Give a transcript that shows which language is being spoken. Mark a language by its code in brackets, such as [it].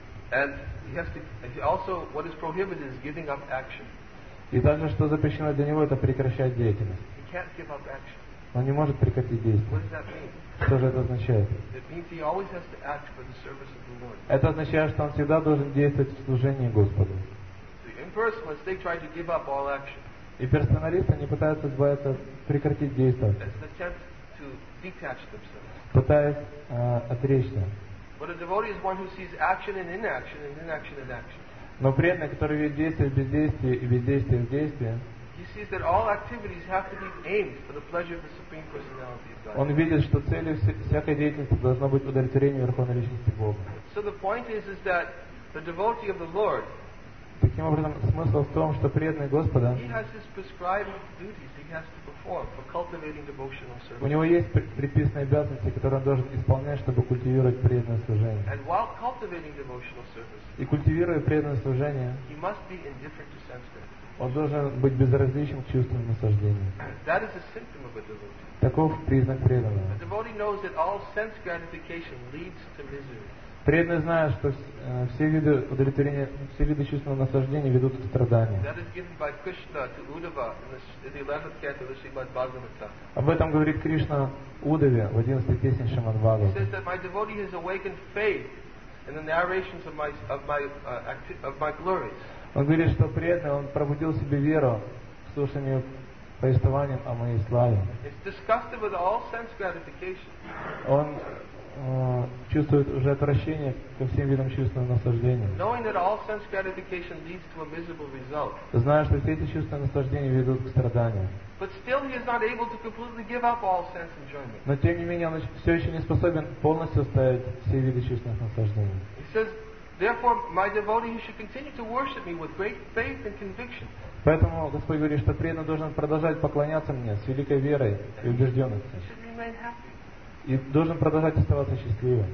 [en] And he has to also what is prohibited is giving up action. [ru] И также что запрещено для него это прекращать деятельность. [en] He can't give up action. [ru] Он не может прекратить действие. [en] What does that mean? [ru] Что же это означает? [en] It means he always has to act for the service of the Lord. [ru] Это означает, что он всегда должен действовать в служении Господу. [en] The impersonalists, they try to give up all action. [ru] И персоналисты не пытаются избавиться прекратить действовать. [en] That's an attempt to detach themselves. [ru] Пытаясь отречься. [en] But a devotee is one who sees action and inaction, and inaction and action. [ru] Но преданный, который видит действие в бездействии и бездействие в действии. [en] He sees that all activities have to be aimed for the pleasure of the supreme personality of God. [ru] Он видит, что целью всякой деятельности должно быть удовлетворение верховной личности Бога. [en] So the point is that the devotee of the Lord. [ru] Таким образом, смысл в том, что преданный Господа. [en] He has his prescribed duties he has to perform for cultivating devotional service. [ru] У него есть предписанные обязанности, которые он должен исполнять, чтобы культивировать преданное служение. [en] And while cultivating devotional service. [ru] И культивируя преданное служение. [en] He must be indifferent to sense gratification. [ru] Он должен быть безразличным к чувствам наслаждения. [en] That is a symptom of a devotee. [ru] Таков признак преданного. [en] A devotee knows that all sense gratification leads to misery. [ru] Преданный знает, что все виды удовлетворения, все виды чувственного наслаждения ведут к страданию. [en] That is given by Krishna to Uddhava in the 11th canto of the Srimad Bhagavata. [ru] Об этом говорит Кришна Удаве в 11-й песне Шримад Бхагавата. [en] He says that my devotee has awakened faith in the narrations of my glories. [ru] Он говорит, что преданный, он пробудил себе веру в слушании повествования о моей славе. [en] He's disgusted with all sense gratification. [ru] Он чувствует уже отвращение ко всем видам чувственного наслаждения. [en] Knowing that all sense gratification leads to a miserable result. [ru] Зная, что все эти чувственные наслаждения ведут к страданиям. [en] But still he is not able to completely give up all sense enjoyment. [ru] Но тем не менее он все еще не способен полностью оставить все виды чувственных наслаждений. [en] He says, therefore, my devotee, he should continue to worship me with great faith and conviction. [ru] Поэтому Господь говорит, что преданный должен продолжать поклоняться мне с великой верой и убежденностью. [en] He should remain happy. [ru] и должен продолжать оставаться счастливым.